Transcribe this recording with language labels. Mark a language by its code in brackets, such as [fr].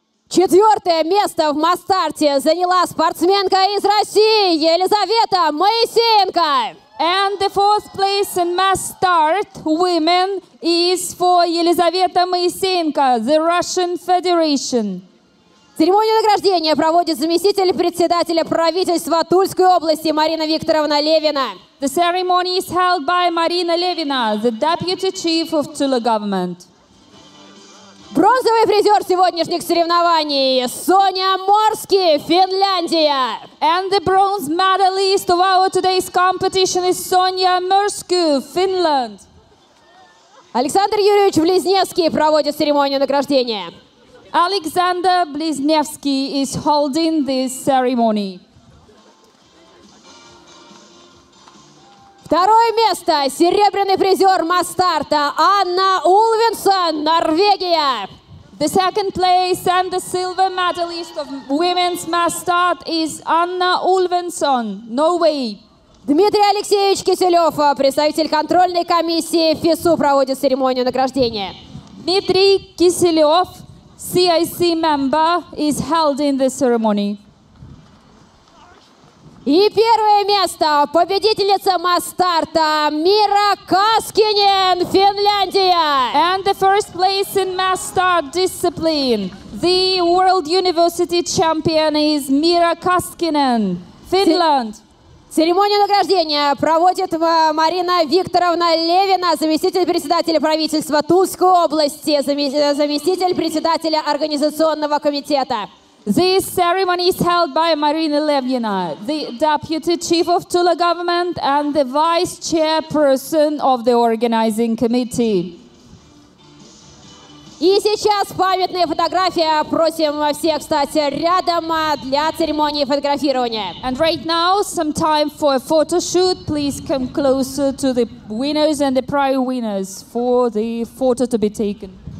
[ru] Четвертое место в масс-старте заняла спортсменка из России Елизавета Моисеенко. [en] And the fourth place in mass start women is for Елизавета Моисеенко, the Russian Federation. [ru] Церемонию награждения проводит заместитель председателя правительства Тульской области Марина Викторовна Левина. [en] The ceremony is held by Marina Levina, the deputy chief of Tula government. [ru] Бронзовый призер сегодняшних соревнований – Соня Морский, Финляндия. [en] And the bronze medalist of our today's competition is Sonia Morsky, Finland. [ru] Александр Юрьевич Близневский проводит церемонию награждения. [en] Александр Близневский is holding this ceremony. [ru] Второе место. Серебряный призер масс-старта Анна Улвинсен, Норвегия. [en] The second place and the silver medalist of women's mass start is Anna Ulvensson, Norway. [ru] Дмитрий Алексеевич Киселев, представитель контрольной комиссии ФИСУ, проводит церемонию награждения. [en] Дмитрий Киселев, CIC member, is held in the ceremony. [ru] И первое место победительница масс-старта Мира Каскинен, Финляндия. [en] And the first place in mass start discipline, the World University champion is Mira Kaskinen, Finland. [ru] Церемонию награждения проводит Марина Викторовна Левина, заместитель председателя правительства Тульской области, заместитель председателя организационного комитета. [en] This ceremony is held by Marina Levina, the deputy chief of Tula government and the vice chairperson of the organizing committee. [ru] И сейчас памятная фотография. Просим всех стать рядом для церемонии фотографирования. [en] And right now, some time for a photo shoot. Please come closer to the winners and the prize winners for the photo to be taken.